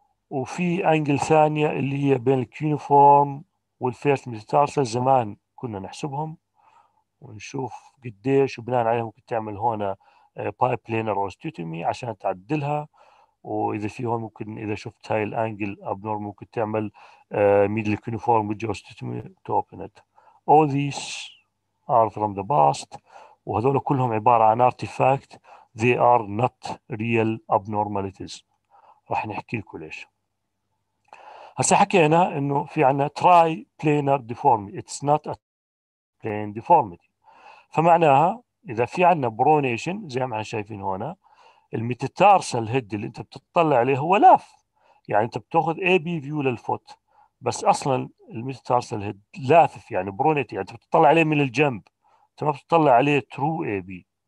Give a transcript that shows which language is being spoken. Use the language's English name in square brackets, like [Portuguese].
[Arabic] وفي انجل ثانيه اللي هي بين الكيونيفورم والفيرست ميتاتارسال، زمان كنا نحسبهم ونشوف قديش، وبناء عليهم ممكن تعمل هنا بايب لينر اوستيوتومي عشان تعدلها، واذا في هون ممكن اذا شفت هاي الانجل ابنورمال ممكن تعمل ميدل كيونيفورم اوستيوتومي تو اوبن ات. [English] All these are from the past. [Arabic] وهذول كلهم عبارة عن artifact. [English] They are not real abnormalities. [Arabic] راح نحكي لكم ليش. هسا حكينا إنه في عنا [English] triplanar deformity. It's not a plane deformity. [Arabic] فمعناها إذا في عنا pronation زي ما احنا شايفين هنا، الميتاتارسال هيد اللي أنت بتطلع عليه هو لاف. يعني أنت بتأخذ AB view للفوت. بس اصلا الميتاتارسال هيد لافف، يعني برونيتي، يعني بتطلع عليه من الجنب، انت ما بتطلع عليه ترو اي بي.